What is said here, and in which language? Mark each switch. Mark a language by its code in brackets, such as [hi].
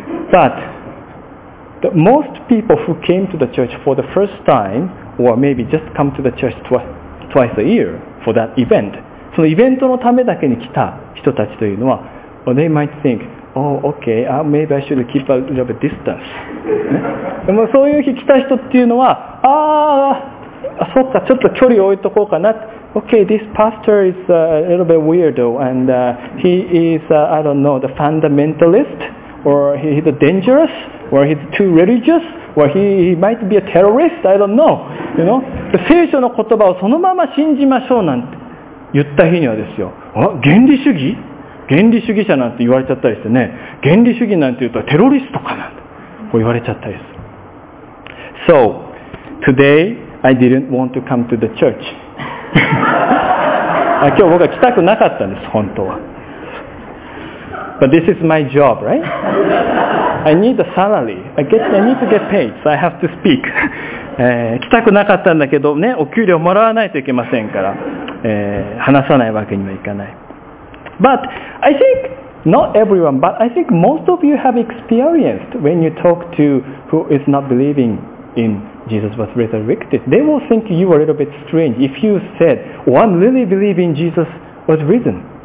[en] But the most people who came to the church for the first time, or maybe just come to the church twice a year for that event, [ja] そのイベントのためだけに来た人たちというのは、 [en] well, they might think, oh, okay, maybe I should keep a little bit distance. [ja] 、ね、でもそういう日来た人っていうのは、ああ、そっか、ちょっと距離を置いとこうかな。 [en] Okay, this pastor is a little bit weirdo and he is, I don't know, the fundamentalist or he's dangerous or he's too religious. Well, he might be a terrorist, I don't know. You know? [ja] 聖書の言葉をそのまま信じましょうなんて言った日にはですよ、あ、原理主義？原理主義者なんて言われちゃったりしてね、原理主義なんて言うとテロリストかなんてこう言われちゃったりする。 [en] So, today I didn't want to come to the church. [ja] 今日僕は来たくなかったんです、本当は。 [en] But this is my job, right? I need a salary. I need to get paid, so I have to speak. [ja] 来たくなかったんだけどね、お給料もらわないといけませんから、話さないわけにはいかない。 [en] But I think not everyone, but I think most of you have experienced when you talk to who is not believing in Jesus was resurrected. They will think you are a little bit strange if you said, oh, I'm really believing Jesus was risen.